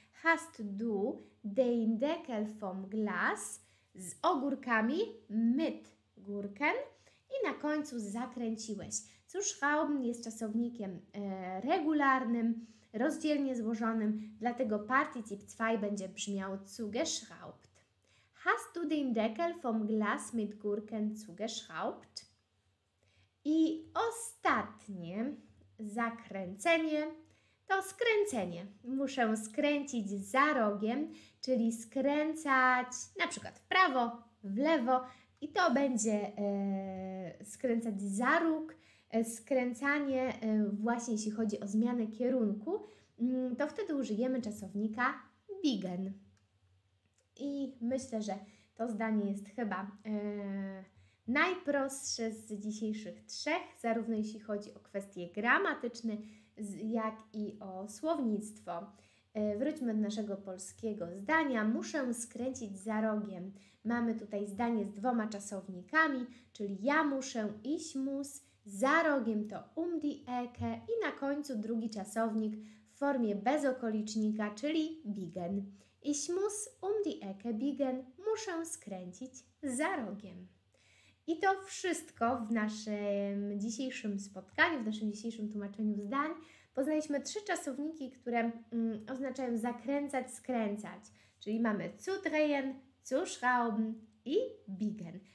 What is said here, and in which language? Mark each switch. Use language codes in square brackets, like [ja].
[de] Hast du den Deckel vom Glas [pl] z ogórkami [de] mit Gurken [pl] i na końcu zakręciłeś. Cóż, schrauben jest czasownikiem regularnym, rozdzielnie złożonym, dlatego particip 2 będzie brzmiał zugeschraubt. [de] Hast du den Deckel vom Glas mit Gurken zugeschraubt? [pl] I ostatnie zakręcenie to skręcenie. Muszę skręcić za rogiem, czyli skręcać na przykład w prawo, w lewo i to będzie skręcać za róg. Skręcanie właśnie jeśli chodzi o zmianę kierunku, to wtedy użyjemy czasownika biegen. I myślę, że to zdanie jest chyba najprostsze z dzisiejszych trzech, zarówno jeśli chodzi o kwestie gramatyczne, jak i o słownictwo. Wróćmy do naszego polskiego zdania. Muszę skręcić za rogiem. Mamy tutaj zdanie z dwoma czasownikami, czyli ja muszę, [de] ich muss, [pl] za rogiem to [de] um die Ecke [pl] i na końcu drugi czasownik w formie bezokolicznika, czyli biegen. [de] Ich muss um die Ecke biegen. [pl] Muszę skręcić za rogiem. I to wszystko w naszym dzisiejszym spotkaniu, w naszym dzisiejszym tłumaczeniu zdań. Poznaliśmy trzy czasowniki, które oznaczają zakręcać, skręcać. Czyli mamy zu drehen, zu schrauben i biegen.